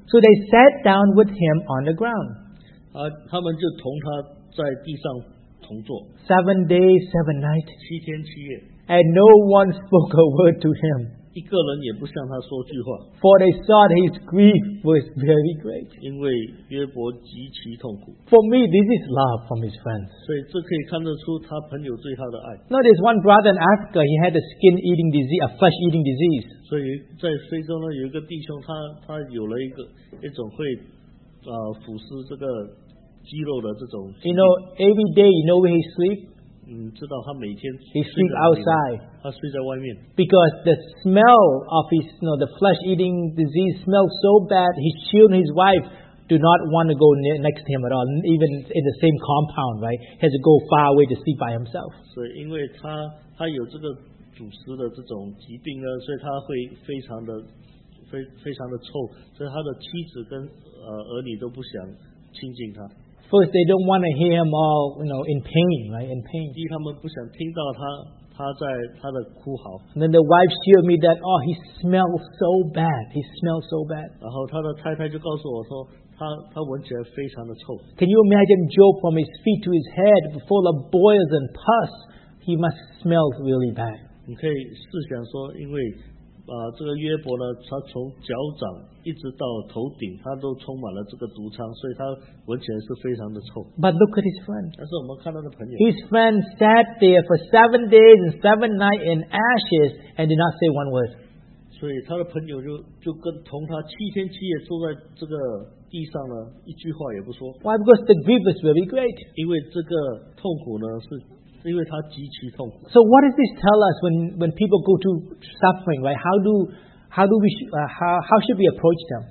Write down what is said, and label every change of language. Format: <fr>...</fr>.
<en>So they sat down with him on the ground.</en> <zh>他们就同他在地上同坐。</zh> <en>7 days, 7 nights.</en> <zh>7天7夜。</zh> <en>And no one spoke a word to him.</en> <zh>一个人也不向他说句话。</zh> <en>For they thought his grief was very great.</en> <zh>因为约伯极其痛苦。</zh> <en>For me, this is love from his friends.</en> <zh>所以这可以看得出他朋友对他的爱。</zh> <en>Now there's one brother in Africa. He had a skin eating disease, a flesh eating disease.</en> <zh>所以在非洲呢，有一个弟兄，他有了一种会腐蚀这个肌肉的这种。</zh> <en>You know, every day, you know where he sleeps.</en> <zh>知道他每天。</zh> <en>He sleeps outside.</en> <zh>他睡在外面。</zh> <en>Because the smell of his, you know, the flesh-eating disease smells so bad, his children, his wife, do not want to go next to him at all, even in the same compound, right? He has to go far away to sleep by himself.</en> <zh>所以因为他有这个腐蚀的这种疾病呢，所以他会非常的臭，所以他的妻子跟儿女都不想亲近他。</zh> <en>First, they don't want to hear him all, you know, in pain, right? In pain.</en> <zh>第一，他们不想听到他。他的哭嚎。</zh> <en>And then the wife showed me that, oh, he smells so bad. He smells so bad.</en> <zh>然后他的太太就告诉我说，他闻起来非常的臭。</zh> <en>Can you imagine Job from his feet to his head, full of boils and pus? He must smell really bad.</en> <zh>你可以试想说，因为这个约伯呢，他从脚掌一直到头顶，他都充满了这个毒疮，所以他闻起来是非常的臭。</zh> <en>But look at his friend.</en> <zh>但是我们看到的朋友。</zh> <en>His friend sat there for 7 days and 7 nights in ashes and did not say one word.</en> <zh>所以他的朋友就跟同他七天七夜坐在这个地上呢，一句话也不说。</zh> <en>Why? Because the grief is very great.</en> <zh>因为这个痛苦呢是。因为他极其痛苦。</zh> <en>So what does this tell us when people go through suffering, right? How should we approach them?</en>